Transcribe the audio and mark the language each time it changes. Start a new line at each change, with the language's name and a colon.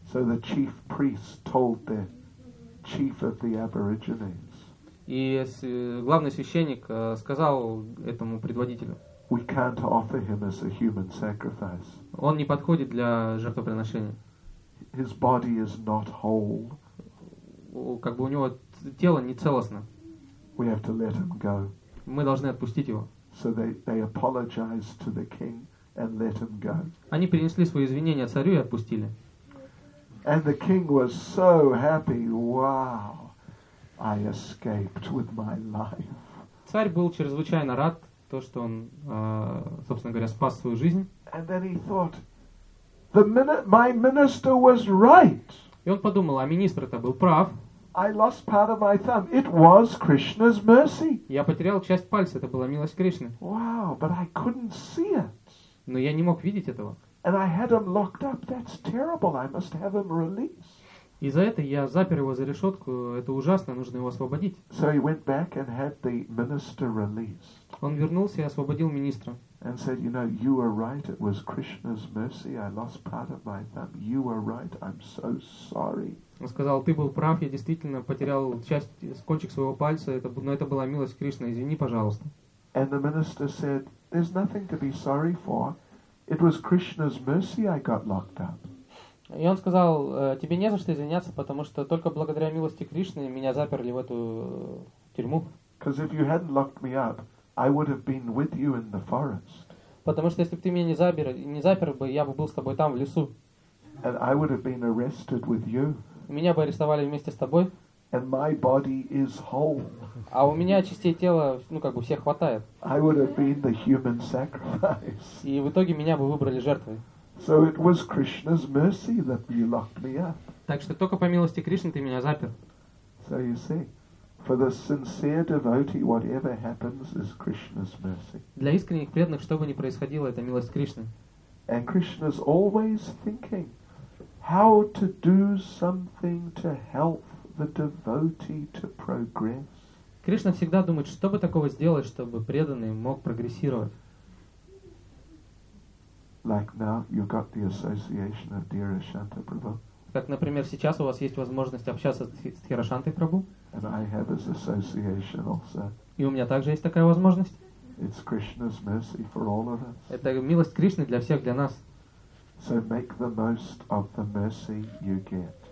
English: So the chief priest told the chief of the aborigines.
Russian: И главный священник сказал этому предводителю:
English: "We can't offer him as a human sacrifice.
Russian: Он не подходит для жертвоприношения.
English: His body is not whole.
Russian: Как бы у него тело не целостно.
English: We have to let him go.
Russian: Мы должны отпустить его."
English: So they apologized to the king and let him go.
Russian: Они принесли свои извинения царю и отпустили.
English: And the king was so happy. Wow. I escaped with my life.
Russian: Царь был чрезвычайно рад, то что он, собственно говоря, спас свою жизнь.
English: And then he thought, my minister was right.
Russian: И он подумал: а министр-то был прав.
English: I lost part of my thumb. It was Krishna's mercy.
Russian: Я потерял часть пальца. Это была милость Кришны.
English: Wow, but I couldn't see it.
Russian: Но я не мог видеть этого.
English: And I had him locked up. That's terrible. I must have him released.
Russian: И за это я запер его за решетку. Это ужасно. Нужно его освободить.
English: So he went back and had the minister released.
Russian: Он вернулся и освободил министра.
English: And said, you know, you were right. It was Krishna's mercy. I lost part of my thumb. You were right. I'm so sorry.
Russian: Он сказал, ты был прав, я действительно потерял часть, кончик своего пальца, это, но это была милость Кришны, извини, пожалуйста.
English: And the minister said, there's nothing to be sorry for. It was Krishna's mercy I got locked up.
Russian: И он сказал, тебе не за что извиняться, потому что только благодаря милости Кришны меня заперли в эту тюрьму.
English: Because if you hadn't locked me up, I would have been with you in the forest.
Russian: Потому что если бы ты меня не запер бы, я бы был с тобой там, в лесу.
English: And I would have been arrested with you.
Russian: Меня бы арестовали вместе с тобой.
English: And my body is whole.
Russian: А у меня частей тела, ну как бы всех хватает.
English: I would have been the human sacrifice.
Russian: И в итоге меня бы выбрали жертвой.
English: So it was Krishna's mercy that you locked me up.
Russian: Так что только по милости Кришны ты меня запер.
English: So you see, for the sincere devotee, whatever happens is Krishna's mercy.
Russian: Для искренних преданных, что бы ни происходило, это милость Кришны.
English: And Krishna's always thinking how to do something to help the devotee to progress.
Russian: Кришна всегда думает, что бы такого сделать, чтобы преданный мог прогрессировать.
English: Like now, you got the association of Dhira Shanta Prabhu.
Russian: Как, например, сейчас у вас есть возможность общаться с Дхира Шантой Прабху.
English: And I have this association also.
Russian: И у меня также есть такая возможность.
English: It's Krishna's mercy for all of us.
Russian: Это милость Кришны для всех, для нас.
English: So make the most of the mercy you get.